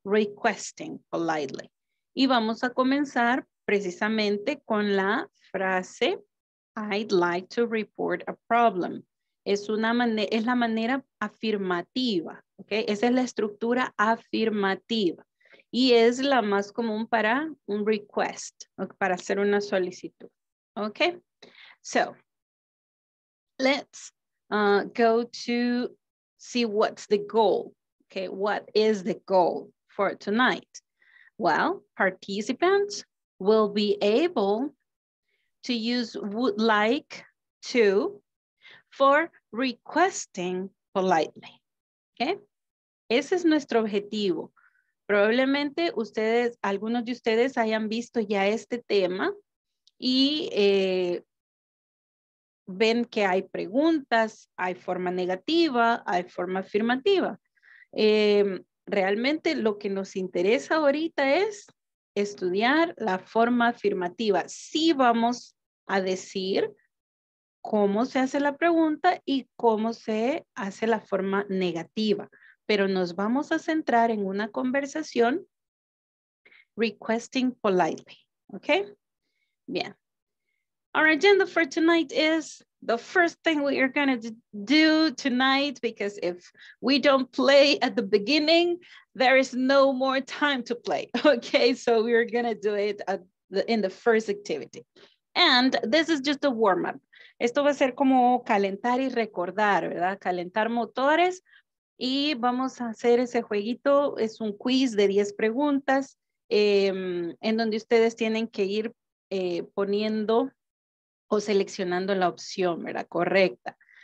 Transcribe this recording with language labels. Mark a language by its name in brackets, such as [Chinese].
[English] Requesting politely. [Spanish] Y vamos a comenzar precisamente con la frase [English] I'd like to report a problem. [Spanish] Es la manera afirmativa, okay? Esa es la estructura afirmativa. Y es la más común para un request, okay? Para hacer una solicitud, okay? [English] So, let's go to see what's the goal, okay? What is the goal for tonight? Well, participants will be able to use would like to for requesting politely, okay? [Spanish] Ese es nuestro objetivo. Probablemente ustedes, algunos de ustedes hayan visto ya este tema y ven que hay preguntas, hay forma negativa, hay forma afirmativa. Realmente lo que nos interesa ahorita es estudiar la forma afirmativa. Sí vamos a decir cómo se hace la pregunta y cómo se hace la forma negativa. pero nos vamos a centrar en una conversación [English] requesting politely, [Spanish] okay? Bien. [English] Our agenda for tonight is the first thing we are gonna do tonight, because if we don't play at the beginning, there is no more time to play, okay? So we are gonna do it at the, in the first activity. And this is just a warm-up. [Spanish] Esto va a ser como calentar y recordar, ¿verdad? Calentar motores. Y vamos a hacer ese jueguito. Es un quiz de 10 preguntas en donde ustedes tienen que ir poniendo o seleccionando la opción, ¿verdad? Correcta.